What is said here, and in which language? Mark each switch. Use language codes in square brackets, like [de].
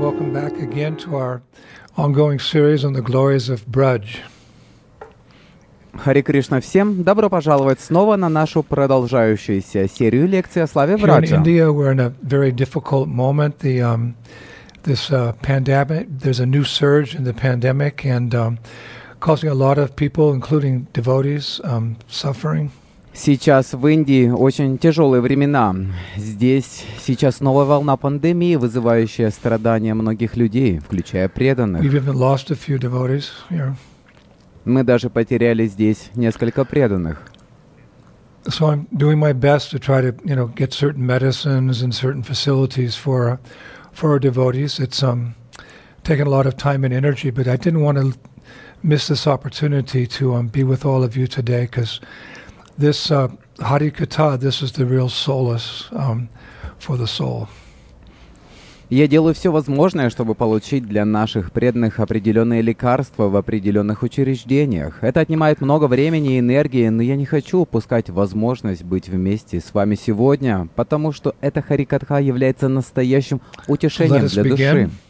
[en] Welcome back again to our ongoing series on the glories of Braj. [ru] Hare Krishna всем. Добро пожаловать снова на нашу продолжающуюся серию лекций о славе Браджа. [en] Here in India, we're in a very difficult moment. This pandemic, there's a new surge in the pandemic and causing a lot of people, including devotees, suffering. [ru] Сейчас в Индии очень тяжелые времена. Здесь сейчас новая волна пандемии, вызывающая страдания многих людей, включая преданных. [en] We've even lost a few devotees here. [ru] Мы даже потеряли здесь несколько преданных. [en] So I'm doing my best to try to, you know, get certain medicines and certain facilities for our devotees. It's taken a lot of time and energy, but I didn't want to miss this opportunity to be with all of you today, because this Harikatha, this is the real solace for the soul. [ru] Я делаю все возможное, чтобы получить для наших преданных определенные лекарства в определенных учреждениях. Это отнимает много времени и энергии, но я не хочу упускать возможность быть вместе с вами сегодня, потому что эта Харикатха является настоящим утешением для души.